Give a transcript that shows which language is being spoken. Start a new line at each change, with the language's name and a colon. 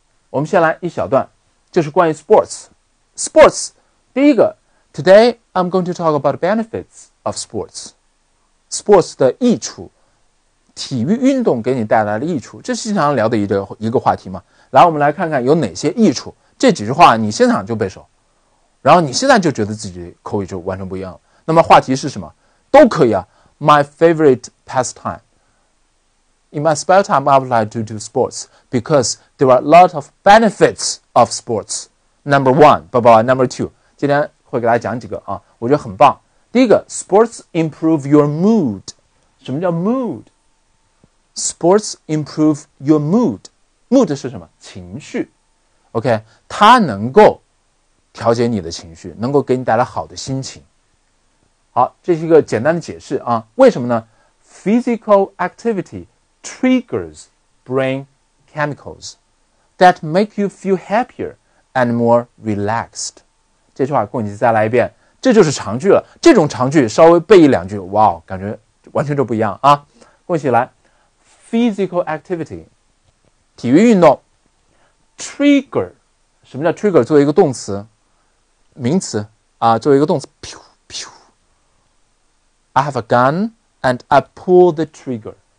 Chinese: 我们先来一小段，就是关于 sports 第一个，
English: Today I'm going to talk about the benefits of sports
Chinese: 的益处，体育运动给你带来的益处，这是经常聊的一个话题嘛。来，我们来看看有哪些益处，这几句话你现场就背熟，然后你现在就觉得自己口语就完全不一样了。那么话题是什么都可以啊，
English: My favorite pastime. In my spare time, I would like to do sports because there are a lot of benefits of sports.
Chinese: Number one, 宝宝 number two, 今天会给大家讲几个啊，我觉得很棒。
English: 第一个， sports improve your mood. 什么叫 mood? Sports improve your mood. Mood
Chinese: 是什么？情绪。 OK, 它能够调节你的情绪，能够给你带来好的心情。好，这是一个简单的解释啊。为什么呢？
English: Physical activity triggers brain chemicals that make you feel happier and more relaxed.
Chinese: 这句话过你再来一遍，这就是长句了。这种长句稍微背一两句，哇，感觉完全就不一样啊。过起来， Physical activity 体育运动， trigger 什么叫 trigger? 作为一个动词名词啊，作为一个动词，噗噗。
English: I have a gun and I pull the trigger.